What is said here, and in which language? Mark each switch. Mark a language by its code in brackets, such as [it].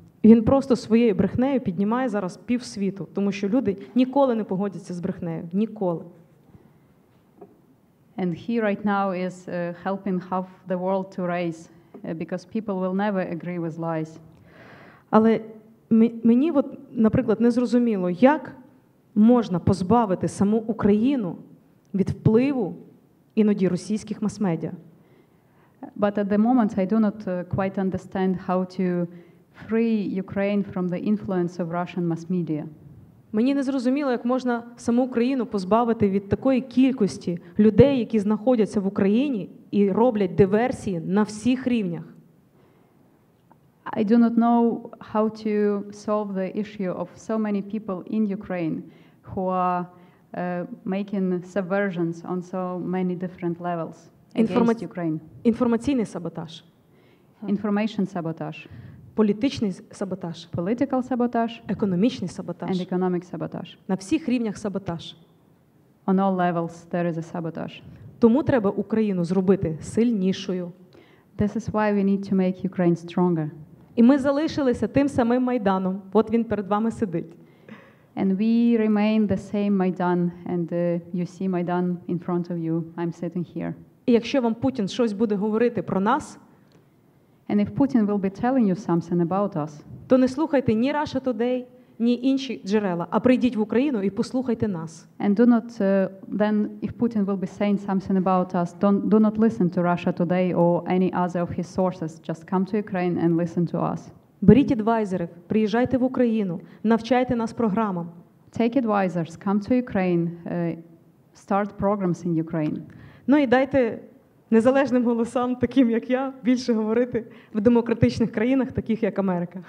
[uk] Він просто своєю брехнею піднімає зараз півсвіту, тому що люди ніколи не погодяться з брехнею, ніколи. [en] And he right now is helping half the world to raise because people will never agree with lies. [uk] Але мені от, наприклад, не зрозуміло, як можна позбавити саму Україну від впливу іноді російських мас-медіа. [en] But at the moment I do not quite understand how to free Ukraine from the influence of Russian mass media. [uk] Мені не зрозуміло, як можна саму Україну позбавити від такої кількості людей, які знаходяться в Україні і роблять диверсії на всіх рівнях. [en] I do not know how to solve the issue of so many people in Ukraine who are making subversions on so many different levels. [uk] Інформаційний саботаж. [en] Information саботаж. [uk] Політичний саботаж. [en] Political саботаж. [uk] Економічний саботаж. [en] And economic саботаж. [uk] На всіх рівнях саботаж. [en] On all levels there is a саботаж. [uk] Тому треба Україну зробити сильнішою. [en] This is why we need to make Ukraine stronger. [uk] І ми залишилися тим самим Майданом. От він перед вами сидить. [en] And we remain the same Майдан, and you see Майдан in front of you. I'm sitting here. [uk] І якщо вам Путін щось буде говорити про нас, [en] and if Putin will be telling you something about us, [uk] то не слухайте ні Russia Today, ні інші джерела, а прийдіть в Україну і послухайте нас. [en] And do not then if Putin will be saying something about us, do not listen to Russia Today or any other of his sources. Just come to Ukraine and listen to us. [uk] Беріть адвайзерів, приїжджайте в Україну, навчайте нас програмам. [en] Take advisors, come to Ukraine, start programs in Ukraine. [uk] Ну і дайте незалежним голосам, таким як я, більше говорити в демократичних країнах, таких як Америка.